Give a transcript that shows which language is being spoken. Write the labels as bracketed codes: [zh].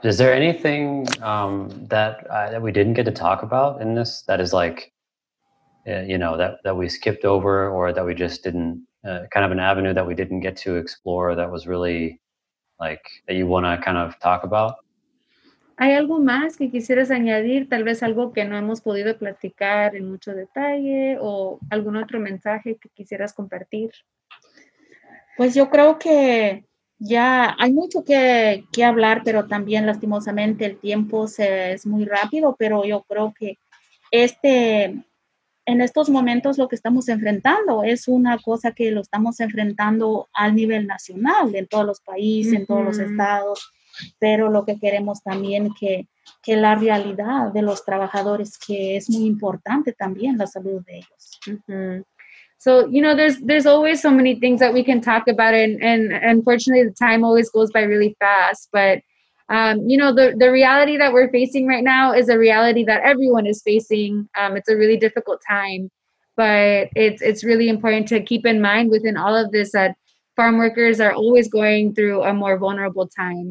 [en] Is there anything that we didn't get to talk about in this that is like, you know, that we skipped over or that we just didn't? Kind of an avenue that we didn't get to explore that was really like that you want to kind of talk about? [es] ¿Hay algo más que quisieras añadir? Tal vez algo que no hemos podido platicar en mucho detalle o algún otro mensaje que quisieras compartir? Pues yo creo que ya hay mucho que hablar, pero también lastimosamente el tiempo es muy rápido, pero yo creo que en estos momentos lo que estamos enfrentando es una cosa que lo estamos enfrentando al nivel nacional, en todos los países, en todos los estados, pero lo que queremos también que la realidad de los trabajadores, que es muy importante también la salud de ellos. [en] So, you know, there's always so many things that we can talk about and unfortunately the time always goes by really fast, but you know, the reality that we're facing right now is a reality that everyone is facing. It's a really difficult time, but it's really important to keep in mind within all of this that farm workers are always going through a more vulnerable time.